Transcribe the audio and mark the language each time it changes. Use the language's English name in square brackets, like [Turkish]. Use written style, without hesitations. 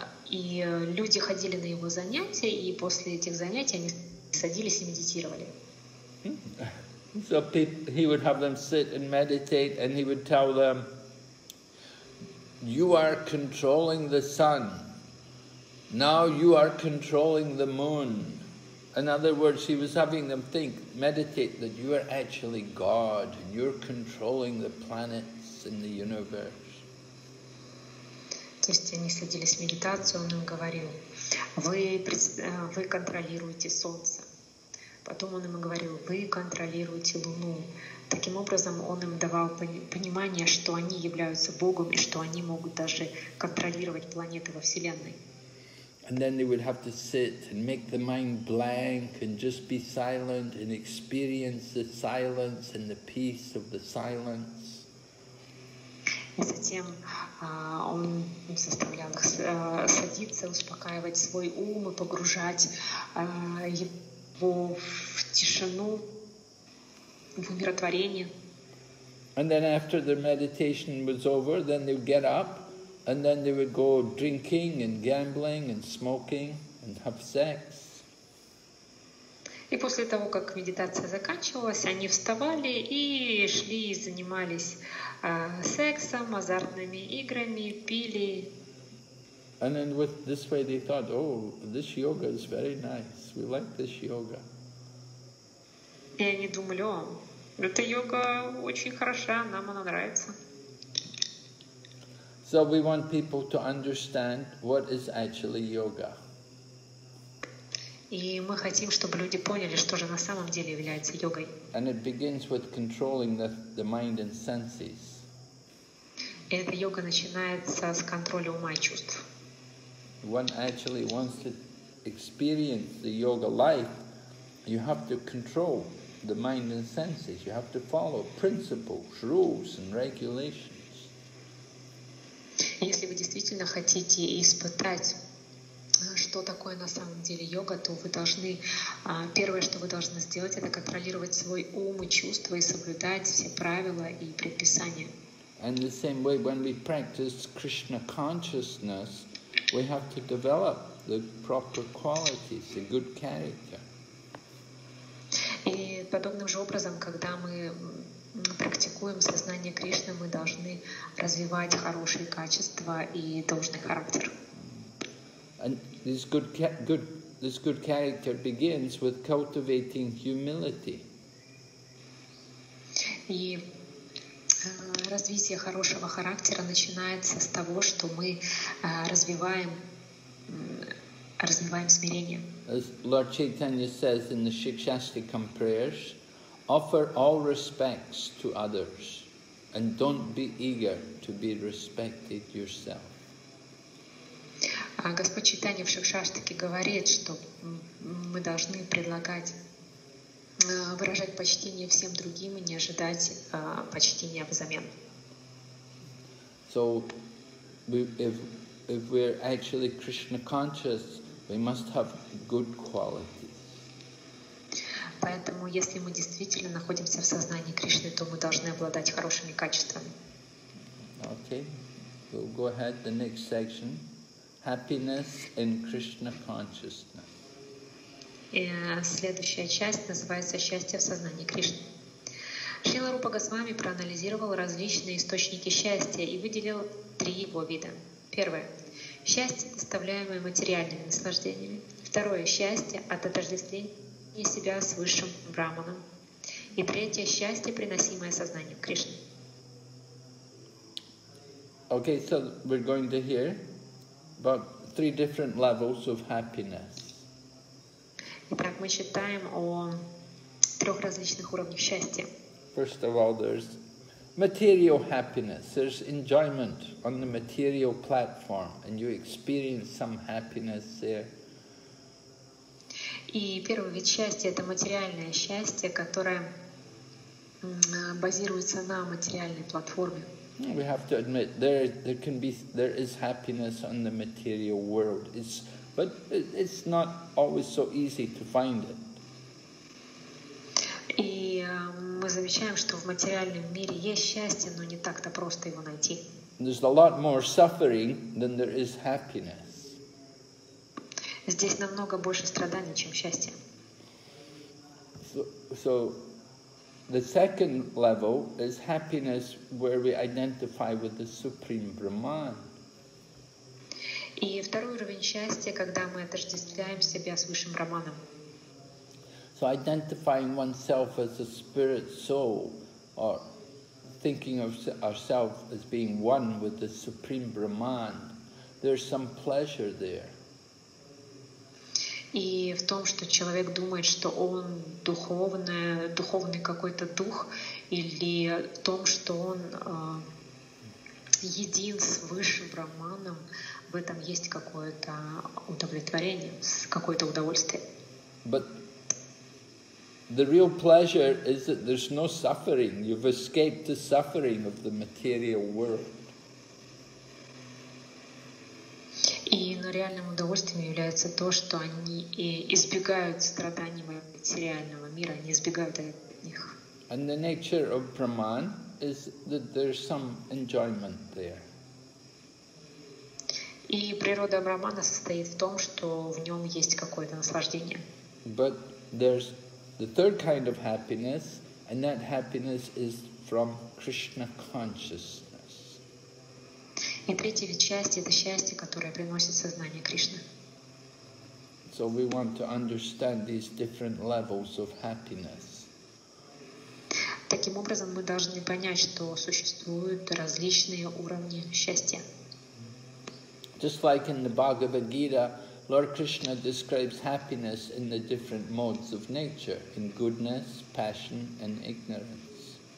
[Russian] И люди ходили на его занятия, и после этих занятий они садились и медитировали. [English] So he would have them sit and meditate, and he would tell them, "You are controlling the sun. Now you are controlling the moon." In other words, he was having them think, meditate, that you are actually God, and you're controlling the planets in the universe. [Russian] То есть они садились в медитацию, он им говорил, вы контролируете солнце. Потом он им говорил, вы контролируете луну. Таким образом, он им давал понимание, что они являются Богом, и что они могут даже контролировать планеты во Вселенной. [English] And then they would have to sit and make the mind blank and just be silent and experience the silence and the peace of the silence. [Russian] И затем он заставлял их садиться, успокаивать свой ум и погружать его в тишину, в умиротворение. [English] And then after their meditation was over, then they would get up. And then they would go drinking and gambling and smoking and have sex. [Russian] И после того, как медитация заканчивалась, они вставали и шли и занимались сексом, азартными играми, пили. [English] And then with this way they thought, oh, this yoga is very nice. We like this yoga. [Russian] И они думали, о, эта йога очень хороша, нам она нравится. [English] So we want people to understand what is actually yoga. [Russian] И мы хотим, чтобы люди поняли, что же на самом деле является йогой. [English] And it begins with controlling the mind and senses. [Russian] Эта йога начинается с контроля ума и чувств. [English] One actually wants to experience the yoga life, you have to control the mind and senses. You have to follow principles, rules and regulations. [Russian] Если вы действительно хотите испытать, что такое на самом деле йога, то вы должны, первое, что вы должны сделать, это контролировать свой ум и чувства и соблюдать все правила и предписания. [English] And the same way, when we practice Krishna consciousness, we have to develop the proper qualities, the good character. [Russian] И подобным же образом, когда мы практикуем сознание Кришны, мы должны развивать хорошие качества и должный характер. [English] And this good character begins with cultivating humility. [Russian] И развитие хорошего характера начинается с того, что мы развиваем смирение. [English] As Lord Chaitanya says in the Shikshastikam prayers, offer all respects to others, and don't be eager to be respected yourself. [Russian] Господь Чайтанья в Шикшаштике говорит, что мы должны выражать почтение всем другим и не ожидать почтения взамен. [English] So, if we're actually Krishna conscious, we must have good qualities. [Russian] Поэтому, если мы действительно находимся в сознании Кришны, то мы должны обладать хорошими качествами. [English] Okay, we'll go ahead to the next section. Happiness in Krishna consciousness. [Russian] И следующая часть называется «Счастье в сознании Кришны». Шрила Рупа Госвами проанализировал различные источники счастья и выделил три его вида. Первое. Счастье, доставляемое материальными наслаждениями. Второе. Счастье от отождествления себя с высшим брахманом. И третье — счастье, приносимое сознанием Кришны. [English] Okay, so we're going to hear about three different levels of happiness. [Russian] Итак, мы читаем о трех различных уровнях счастья. [English] First of all, there's material happiness. There's enjoyment on the material platform, and you experience some happiness there. [Russian] И первый вид счастья — это материальное счастье, которое базируется на материальной платформе. [English] We have to admit there is happiness on the material world. But it's not always so easy to find it. [Russian] И мы замечаем, что в материальном мире есть счастье, но не так-то просто его найти. [English] There's a lot more suffering than there is happiness. [Russian] Здесь намного больше страданий, чем счастья. [English] So the second level is happiness where we identify with the Supreme Brahman. [Russian] И второй уровень счастья, когда мы отождествляем себя с Высшим Браманом. [English] So identifying oneself as a spirit soul, or thinking of ourselves as being one with the Supreme Brahman, there's some pleasure there. [Russian] И в том, что человек думает, что он духовный какой-то дух, или в том, что он един с Высшим Брахманом, в этом есть какое-то удовлетворение, какое-то удовольствие. [English] But the real pleasure is that there's no suffering. You've escaped the suffering of the material world. [Russian] И но реальным удовольствием является то, что они избегают страданий материального мира, они избегают от них. [English] And the nature of Brahman is that there's some enjoyment there. [Russian] И природа Брахмана состоит в том, что в нем есть какое-то наслаждение. [English] But there's the third kind of happiness, and that happiness is from Krishna consciousness. [Russian] И третье счастье — это счастье, которое приносит сознание Кришны. [English] So we want to understand these different levels of happiness. [Russian] Таким образом, мы должны понять, что существуют различные уровни счастья. [English] Just like in the Bhagavad Gita, Lord Krishna describes happiness in the different modes of nature, in goodness, passion and ignorance.